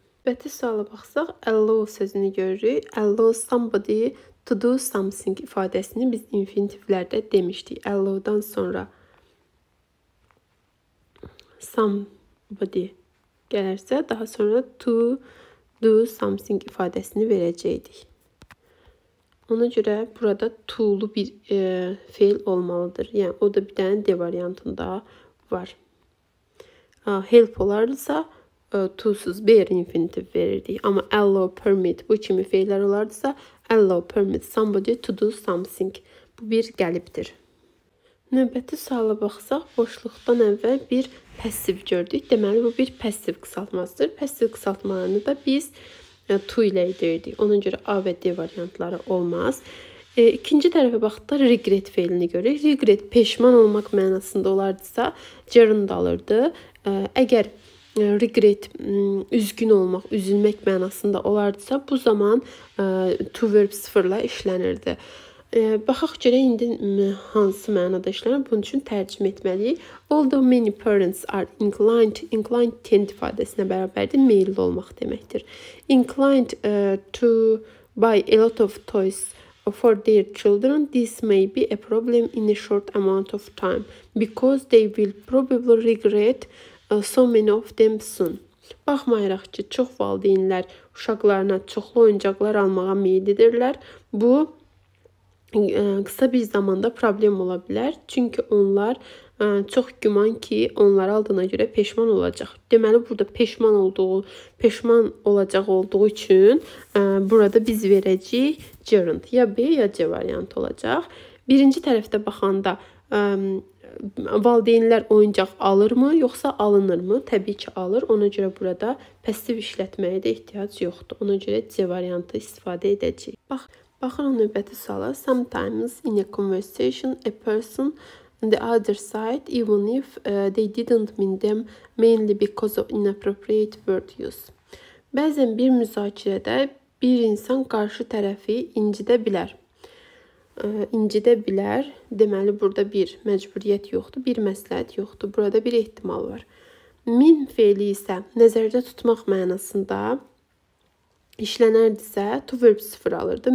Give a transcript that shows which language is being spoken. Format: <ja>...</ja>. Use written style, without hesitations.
<az>Növbəti suala baxsaq, allow sözünü görürük.</az> <en>Allow somebody to do something</en> <az>ifadəsini biz infinitivlərdə demişdik. Allow-dan sonra somebody gələrsə, daha sonra</az> <en>to do something</en> <az>ifadəsini verəcəkdik. Ona görə burada to-lu bir fail olmalıdır. Yəni, o da bir dənə D variantında var. Help olarsa to-suz bear infinitive verirdik. Amma allow, permit bu kimi feillər olardısa,</az> <en>allow, permit somebody to do something.</en> <az>Bu bir qəlibdir. Növbəti suala baxsaq, boşluqdan əvvəl bir passiv gördük. Deməli, bu bir passiv qısaltmasıdır. Passiv qısaltmalarını da biz to ilə edirdik. Onun görə A və D variantları olmaz. İkinci tərəfə baxdıqda regret feilini görürük. Regret peşman olmaq mənasında olardısa, gerund alırdı. Əgər regret, üzgün olmaq, üzülmək mənasında olardısa, bu zaman to verb 0 ilə işlənirdi. Baxaq görə indi hansı mənada işlənir, bunun üçün tərcümə etməliyik.</az> <en>Although many parents are inclined,</en> <az>inclined tend ifadəsinə bərabərdir, meyilli olmaq deməkdir.</az> <en>Inclined to buy a lot of toys for their children, this may be a problem in a short amount of time because they will probably regret so many of them soon.</en> <az>Baxmayaraq ki, çox valideynlər uşaqlarına çoxlu oyuncaqlar almağa meyillidirlər. Bu, qısa bir zamanda problem ola bilər. Çünki onlar çox güman ki, onları aldığına görə peşman olacaq. Deməli, burada peşman olacaq olduğu üçün burada biz verəcəyik gerund. Ya B, ya C variant olacaq. Birinci tərəfdə baxanda valideynlər oyuncaq alır mı, yoxsa alınır mı? Təbii ki, alır. Ona görə burada passiv işlətməyə də ehtiyac yoxdur. Ona görə C variantı istifadə edəcəyik. Baxın o növbəti suala.</az> <en>Sometimes in a conversation, a person on the other side, even if they didn't mean them, mainly because of inappropriate word use.</en> <az>Bəzən bir müzakirədə bir insan qarşı tərəfi incidə bilər. incidə bilər. Deməli, burada bir məcburiyyət yoxdur, bir məsləhət yoxdur. Burada bir ehtimal var. Min feili isə nəzərdə tutmaq mənasında işlənərdisə, to verb 0 alırdı.</az>